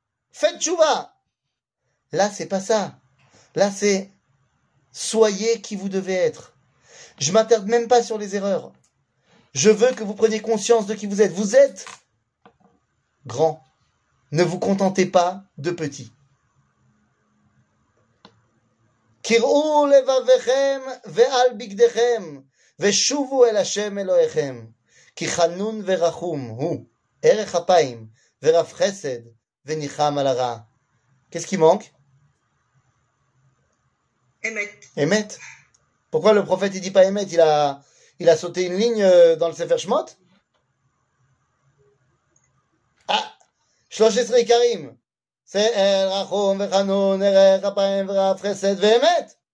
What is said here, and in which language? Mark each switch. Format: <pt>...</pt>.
<fr>Faites tchouva. » Là, c'est pas ça. Là, c'est « Soyez qui vous devez être. » Je m'interdis même pas sur les erreurs. Je veux que vous preniez conscience de qui vous êtes. Vous êtes grand. Ne vous contentez pas de petit.</fr> <he>קראו לבבכם ועל בגדכם ושובו אל השם אלוהיכם כי חנון ורחום הוא ערך אפיים ורב חסד וניחם על הרע.</he> <fr>Qu'est-ce qui manque?</fr> <he>Emet. Emet.</he> <fr>Pourquoi le prophète il dit pas Emet? Il a sauté une ligne dans le Sefer Shemot? Ah! Shlosh Esrei Karim. C'est</fr> <he>El Rachon, Vechanon, Erech, Apaim, Vraf, Chesed, Vemet.</he>